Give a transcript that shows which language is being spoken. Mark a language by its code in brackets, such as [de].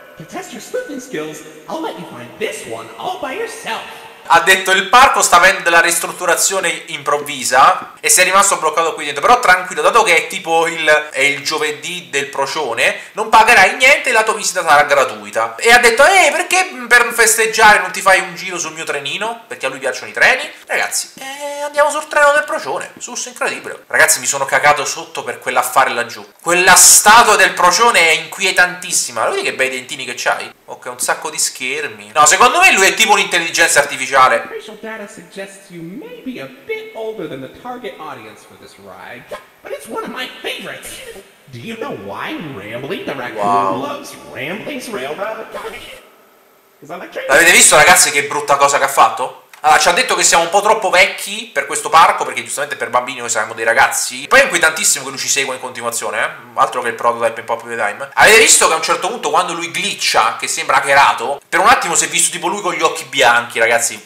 [en] To test your skills, I'll let you find this one all by yourself. [it] ha detto il parco sta avendo della ristrutturazione improvvisa e si è rimasto bloccato qui dentro. Però tranquillo, dato che è tipo il giovedì del procione, non pagherai niente e la tua visita sarà gratuita. E ha detto, perché per festeggiare non ti fai un giro sul mio trenino? Perché a lui piacciono i treni. Ragazzi, andiamo sul treno del procione. Sus, incredibile. Ragazzi, mi sono cagato sotto per quell'affare laggiù. Quella statua del procione è inquietantissima. Vedi che bei dentini che c'hai? Ok, un sacco di schermi. No, secondo me lui è tipo un'intelligenza artificiale. [en] Racial data suggests you may be a bit older than the target audience for this ride, but it's one of my favorites. Do you know why Rambling the Raccoon loves Rambling's Railroad? [it] L'avete visto, ragazzi, che brutta cosa che ha fatto? Allora, ci ha detto che siamo un po' troppo vecchi per questo parco, perché giustamente per bambini noi saremmo dei ragazzi. Poi è inquietantissimo che lui ci segua in continuazione, eh? Altro che il prototype in Popular Time. Avete visto che a un certo punto, quando lui glitcha, che sembra hackerato, per un attimo si è visto tipo lui con gli occhi bianchi, ragazzi.